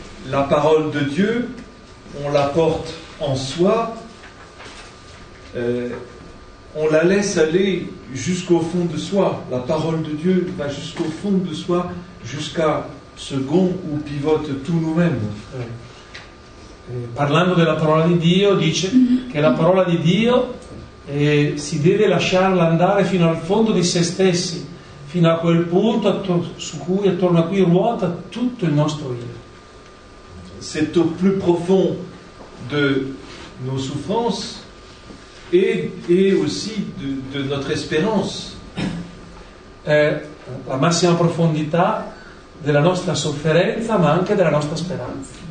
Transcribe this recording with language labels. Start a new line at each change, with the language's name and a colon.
French: La parole de Dieu, on la porte en soi, on la laisse aller jusqu'au fond de soi, la parole de Dieu va jusqu'au fond de soi, jusqu'à ce gond où pivote tout nous-mêmes.
Italian: Parlando della parola di Dio, dice che la parola di Dio si deve lasciarla andare fino al fondo di se stessi, fino a quel punto attorno a cui ruota tutto il nostro io.
French: C'est au plus profond de nos souffrances et aussi de notre espérance.
Italian: La massima profondità della nostra sofferenza, ma anche della nostra speranza.